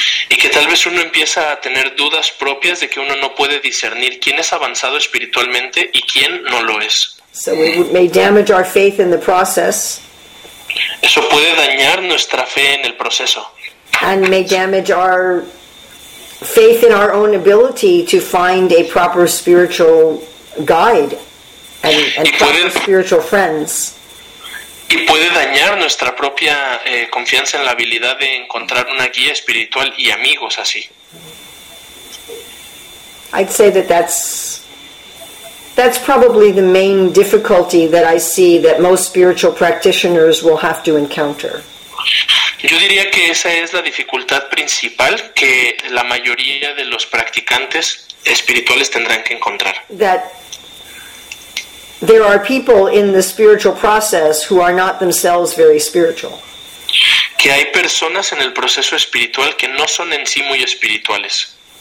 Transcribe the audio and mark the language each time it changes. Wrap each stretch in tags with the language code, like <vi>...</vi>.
<es>Y que tal vez uno empieza a tener dudas propias de que uno no puede discernir quién es avanzado espiritualmente y quién no lo es.</es> <en>So we may damage our faith in the process.</en> <es>Eso puede dañar nuestra fe en el proceso.</es> <en>And may damage our faith in our own ability to find a proper spiritual guide and proper spiritual friends.</en> <es>Y puede dañar nuestra propia confianza en la habilidad de encontrar una guía espiritual y amigos así.</es> <en>I'd say that's probably the main difficulty that I see that most spiritual practitioners will have to encounter.</en> <es>Yo diría que esa es la dificultad principal que la mayoría de los practicantes espirituales tendrán que encontrar.</es> <en>That there are people in the spiritual process who are not themselves very spiritual.</en> <es>Que hay personas en el proceso espiritual que no son en sí muy espirituales.</es>